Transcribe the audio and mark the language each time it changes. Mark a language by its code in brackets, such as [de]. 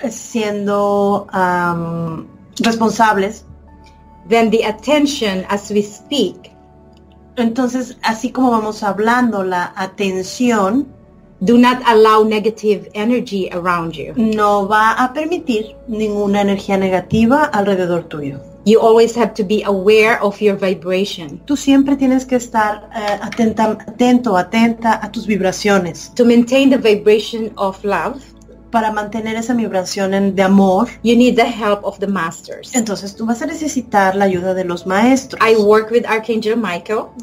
[es] Siendo responsables. [en] Then the attention as we speak. [es] Entonces, así como vamos hablando, la atención. [en] Do not allow negative energy around you. [es] No va a permitir ninguna energía negativa alrededor tuyo. [en] You always have to be aware of your vibration. [es] Tú siempre tienes que estar atenta a tus vibraciones. [en] To maintain the vibration of love. [es] Para mantener esa vibración de amor. [en] You need the help of the masters. [es] Entonces tú vas a necesitar la ayuda de los maestros. [en] I work with Archangel Michael.